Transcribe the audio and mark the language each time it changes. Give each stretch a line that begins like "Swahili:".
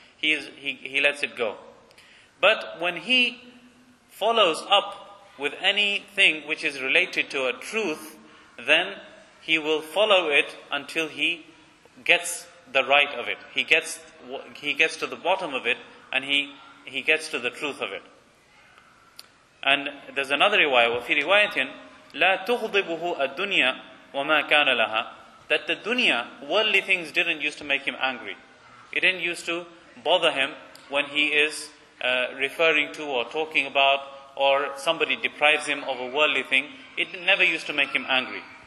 English: He lets it go. But when he follows up with anything which is related to a truth, then he will follow it until he gets the right of it. He gets to the bottom of it, and he gets to the truth of it. And there's another riwayah,
Arabic: وَفِي رِوَايَةٍ لَا تُغْضِبُهُ الدُّنْيَا وَمَا كَانَ لَهَا.
English: That the dunya, worldly things, didn't used to make him angry. It didn't used to bother him when he is referring to or talking about, or somebody deprives him of a worldly thing. It never used to make him angry.